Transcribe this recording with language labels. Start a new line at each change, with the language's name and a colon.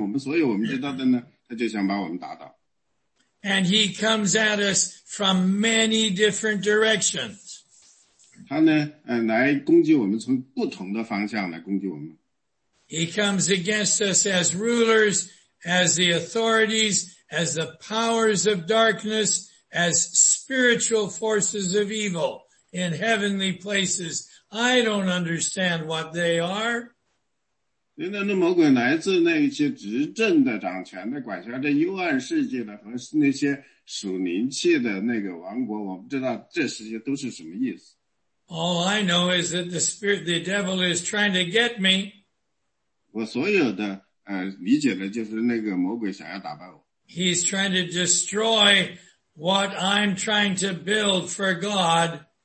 Chinese: 因为我们不知道他怎么去做，我们从来没见过魔鬼，但是我们所有我们知道的呢，他就想把我们打倒。
English: And he comes at us from many different directions.
Chinese: 他呢，来攻击我们，从不同的方向来攻击我们。
English: He comes against us as rulers, as the authorities, as the powers of darkness, as spiritual forces of evil in heavenly places. I don't understand what they are.
Chinese: 那魔鬼来自那些执政的掌权的管辖着幽暗世界的和那些属灵气的那个王国，我不知道这些都是什么意思。
English: All I know is that the spirit, the devil is trying to get me.
Chinese: 我所有的理解的就是那个魔鬼想要打败我。
English: He's trying to destroy what I'm trying to build for God.